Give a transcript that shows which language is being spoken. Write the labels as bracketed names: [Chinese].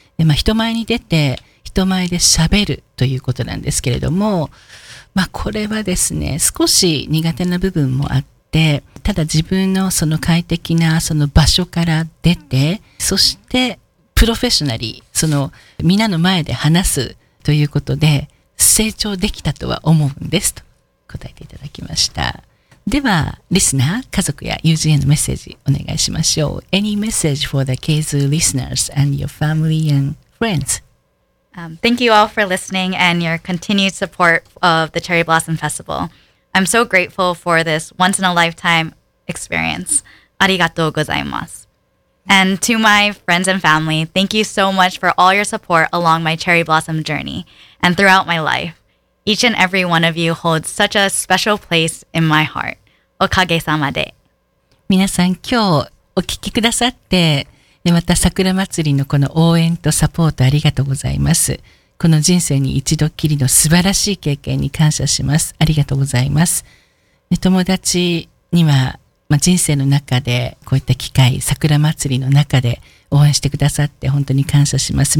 [Japanese] で、まあ、人前に出て、人前で喋るということなんですけれども、まあ、これはですね、少し苦手な部分もあって、ただ自分のその快適なその場所から出て、そしてプロフェッショナリー、そのみんなの前で話すということで、成長できたとは思うんですと答えていただきました。では、リスナー、家族や友人へのメッセージお願いしましょう。 [English] Any message for the KZU listeners and your family and friends? Thank you all for listening and your continued support of the Cherry Blossom Festival. I'm so grateful for this once-in-a-lifetime experience. [Japanese] ありがとうございます。 [English] And to my friends and family, thank you so much for all your support along my Cherry Blossom journey and throughout my life. Each and every one of you holds such a special place in my heart. [Japanese] おかげさまで。皆さん、今日お聞きくださって、でまた桜祭りのこの応援とサポートありがとうございます。この人生に一度きりの素晴らしい経験に感謝します。ありがとうございます。で友達には、まあ、人生の中でこういった機会、桜祭りの中で応援してくださって本当に感謝します。